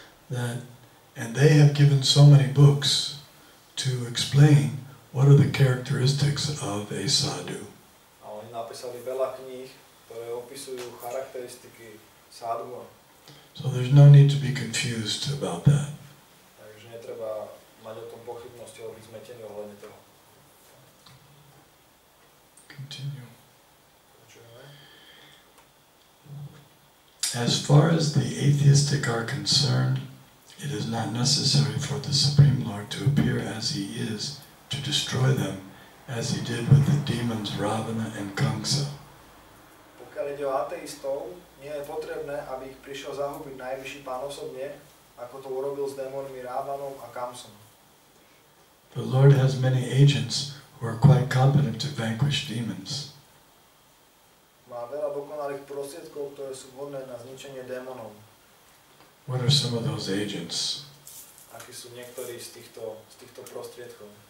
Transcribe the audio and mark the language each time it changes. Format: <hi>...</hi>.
<en>And they have given so many books to explain what are the characteristics of a sadhu.</en> <sk>Napísali veľa kníh, ktoré opisujú charakteristiky sadhu.</sk> <en>So there's no need to be confused about that.</en> <sk>Takže netreba mať o tom pochybnosti, alebo byť zmetený ohľadne toho.</sk> <en>Continue. As far as the atheistic are concerned, it is not necessary for the Supreme Lord to appear as he is to destroy them, as he did with the demons Ravana and Kamsa.</en> <sk>Pokiaľ ide o ateistov, nie je potrebné, aby ich prišiel zahubiť najvyšší pán osobne, ako to urobil s démonmi Ravanom a Kamsom.</sk> <en>The Lord has many agents who are quite competent to vanquish demons.</en> <sk>Má veľa dokonalých prostriedkov, ktoré sú vhodné na zničenie démonov.</sk> <en>What are some of those agents?</en> <sk>Akí sú niektorí z týchto prostriedkov?</sk>